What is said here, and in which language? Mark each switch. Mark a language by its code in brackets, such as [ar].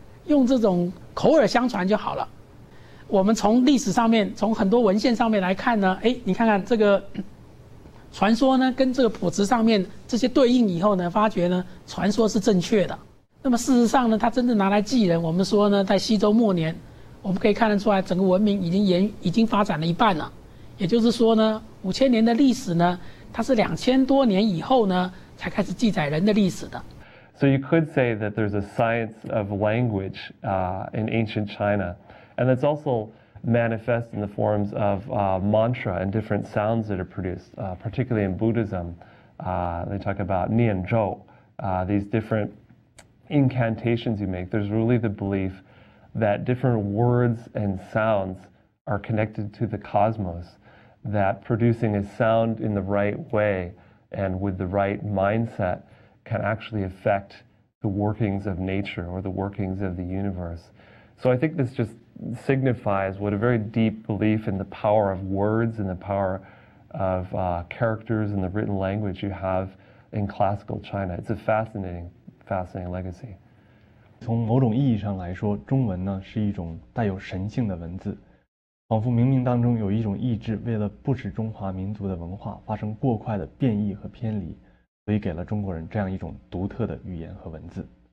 [zh] 用这种口耳相传就好了。我们从历史上面，从很多文献上面来看呢，哎，你看看这个传说呢，跟这个谱子上面这些对应以后呢，发觉呢，传说是正确的。那么事实上呢，它真正拿来祭人，我们说呢，在西周末年，我们可以看得出来，整个文明已经发展了一半了。也就是说呢，五千年的历史呢，它是2000多年以后呢，才开始记载人的历史的。 [en] So you could say that there's a science of language, in ancient China, and that's also manifest in the forms of, mantra and different sounds that are produced, particularly in Buddhism. They talk about nian zhou, these different incantations you make. There's really the belief that different words and sounds are connected to the cosmos, that producing a sound in the right way and with the right mindset. Can actually affect the workings of nature or the workings of the universe. So I think this just signifies what a very deep belief in the power of words and the power of characters and the written language you have in classical China. It's a fascinating, fascinating legacy. [zh] 从某种意义上来说，中文呢是一种带有神性的文字，仿佛冥冥当中有一种意志，为了不使中华民族的文化发生过快的变异和偏离。所以给了中国人这样一种独特的语言和文字。